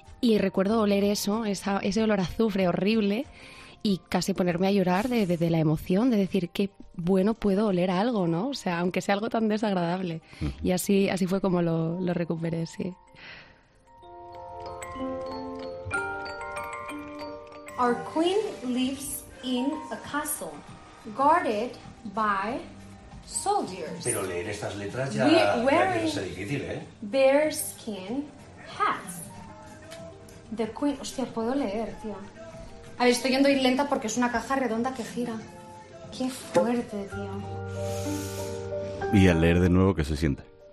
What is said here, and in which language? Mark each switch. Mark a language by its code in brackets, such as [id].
[es] Y recuerdo oler eso, ese olor a azufre horrible. Y casi ponerme a llorar de la emoción, de decir qué bueno puedo oler algo, ¿no? O sea, aunque sea algo tan desagradable. Y así fue como lo recuperé, sí. [en] Our queen lives in a castle, guarded by soldiers. [es] Pero leer estas letras ya debe ser difícil, ¿eh? [en] Bear skin hats. The queen... [es] Hostia, puedo leer, tío. A ver, estoy yendo ir lenta porque es una caja redonda que gira. ¡Qué fuerte, tío! Y al leer de nuevo, ¿qué se siente?